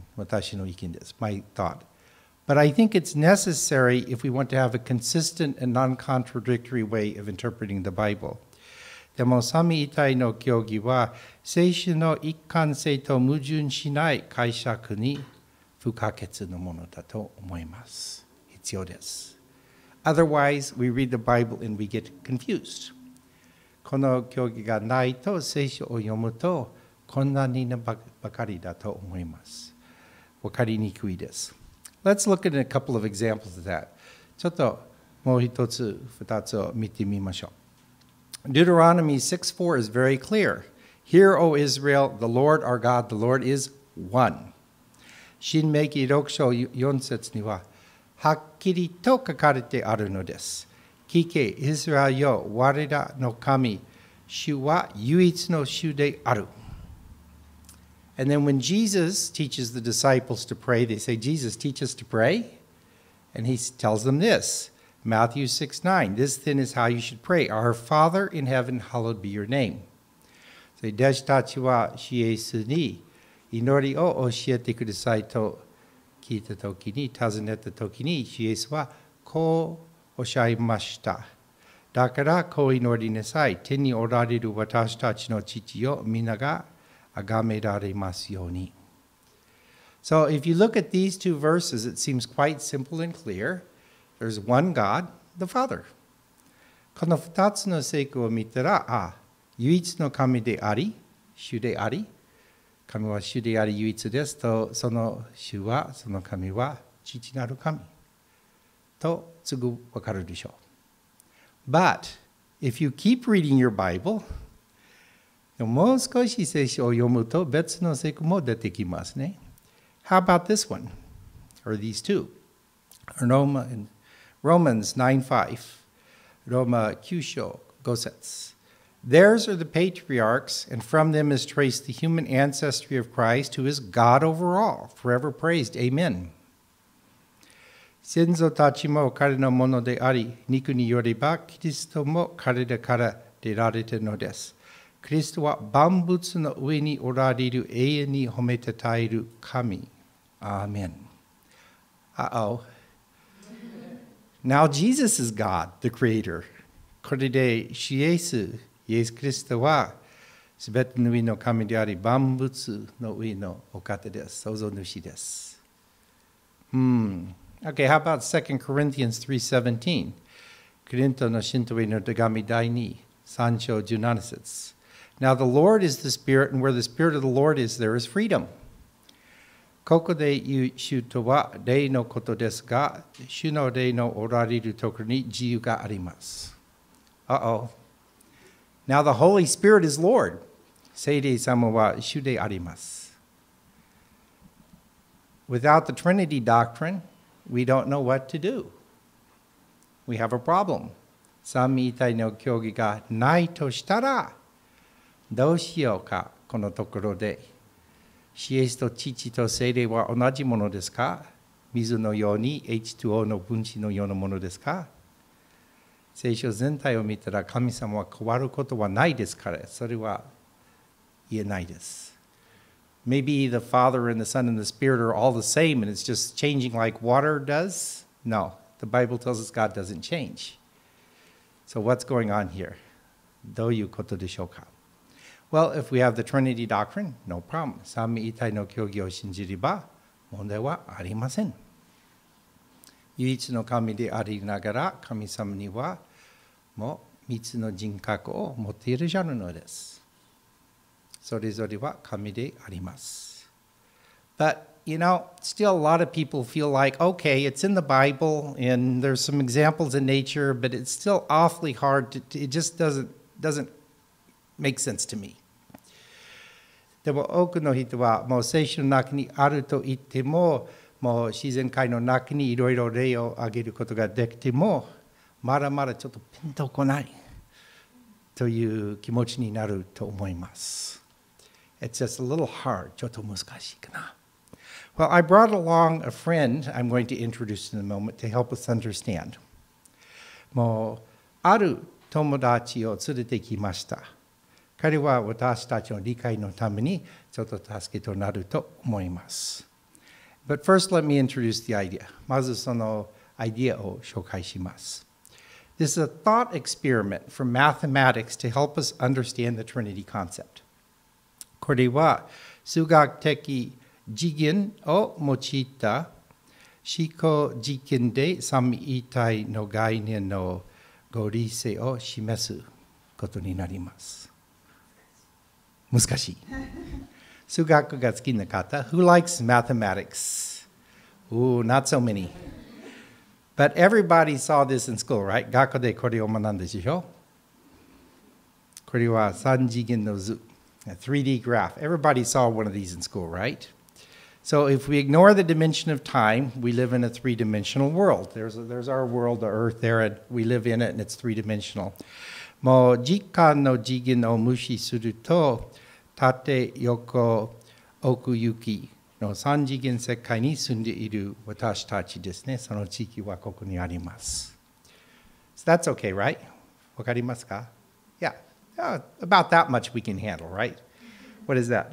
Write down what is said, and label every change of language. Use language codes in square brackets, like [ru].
[ja] 私の意見です。 [en] My thought. But I think it's necessary if we want to have a consistent and non-contradictory way of interpreting the Bible. [ja] でも三位一体の教義は聖書の一貫性と矛盾しない解釈に不可欠のものだと思います。必要です。 [en] Otherwise, we read the Bible and we get confused. [ja] この教義がないと聖書を読むと混乱になるばかりだと思います。わかりにくいです。 [en] Let's look at a couple of examples of that. [ja] ちょっともう一つ、二つを見てみましょう。 [en] Deuteronomy 6:4 is very clear. Hear, O Israel, the Lord our God, the Lord is one. [ja] 新命記6章4節にははっきりと書かれてあるのです。聞け、イスラエルよ、我らの神、主は唯一の主である。 [en] And then when Jesus teaches the disciples to pray, they say, Jesus, teach us to pray. And he tells them this, Matthew 6:9, This then is how you should pray. Our Father in heaven, hallowed be your name. [ja] で、弟子たちは主イエスに、祈りを教えてくださいと聞いたときに、尋ねたときに、イエスはこうおっしゃいました。だからこう祈りなさい。天におられる私たちの父よ、みんながあがめられますように。 [en] So if you look at these two verses, it seems quite simple and clear. There's one God, the Father. [ja] この2つの聖句を見たら、ああ、唯一の神であり、主であり、神は主であり唯一ですと、その主は、その神は父なる神とすぐ分かるでしょう。 [en] But if you keep reading your Bible, [ja] もう少し聖書を読むと別の聖句も出てきますね。 [en] How about this one? Or these two? Romans 9:5. [ja] Roma 9 章5節。 [en] Theirs are the patriarchs, and from them is traced the human ancestry of Christ, who is God over all, forever praised. Amen. [ja] 先祖たちも彼のものであり、肉によればキリストも彼らから出られたのです。キリストは万物の上におられる永遠に褒めたたえる神。 [en] Amen. Uh-oh. Now Jesus is God, the creator. [ja] これで主イエス。イエス・キリストは全ての上の神であり万物の上のお方です。創造主です。 [en] Okay, how about 2 Corinthians 3:17? [ja] コリントの信徒への手紙第2、3章17節。 [en] Now the Lord is the Spirit, and where the Spirit of the Lord is, there is freedom. [ja] ここで言う主とは霊のことですが、主の霊のおられるところに自由があります。 [en] Now the Holy Spirit is Lord. [ja] 聖霊様は主であります。 [en] Without the Trinity Doctrine, we don't know what to do. We have a problem. [ja] 三位一体の教義がないとしたら、どうしようか、このところで。シエスと父と聖霊は同じものですか？水のように H2O の分子のようなものですか？聖書全体を見たら神様は変わることはないですから、それは言えないです。 [en] Maybe the Father and the Son and the Spirit are all the same and it's just changing like water does? No, the Bible tells us God doesn't change. So what's going on here? [ja] どういうことでしょうか？ [en] Well, if we have the Trinity Doctrine, no problem. [ja] 三位一体の教義を信じれば問題はありません。唯一の神でありながら神様にはもう三つの人格を持っているじゃるのです。それぞれは神であります。 [en] But, you know, still a lot of people feel like, okay, it's in the Bible and there's some examples in nature, but it's still awfully hard. It just doesn't make sense to me. [ja] でも多くの人はもう聖書の中にあると言っても、もう自然界の中にいろいろ例を挙げることができても、まだまだちょっとピンとこないという気持ちになると思います。 [en] It's just a little hard. [ja] ちょっと難しいかな。 [en] Well, I brought along a friend I'm going to introduce in a moment to help us understand. [ja] もうある友達を連れてきました。彼は私たちの理解のためにちょっと助けとなると思います。 [en] But first, let me introduce the idea. [ja] まずそのアイディアを紹介します。 [en] This is a thought experiment from mathematics to help us understand the Trinity concept. [ja] これは数学的次元を用いた思考実験で三位一体の概念の合理性を示すことになります。難しい。数学が好きな方、 [en] Who likes mathematics? Ooh, not so many. But everybody saw this in school, right? [ja] 学校でこれを学んだでしょ？これは三次元の図。 [en] A 3D graph. Everybody saw one of these in school, right? So if we ignore the dimension of time, we live in a three-dimensional world. There's our world, the earth there, and we live in it, and it's three-dimensional. [ja] もう時間の次元を無視すると、縦横奥行きの三次元世界に住んでいる私たちですね。その地域はここにあります。 [en] So that's okay, right? [ja] わかりますか？ [en] Yeah. About that much we can handle, right? What is that?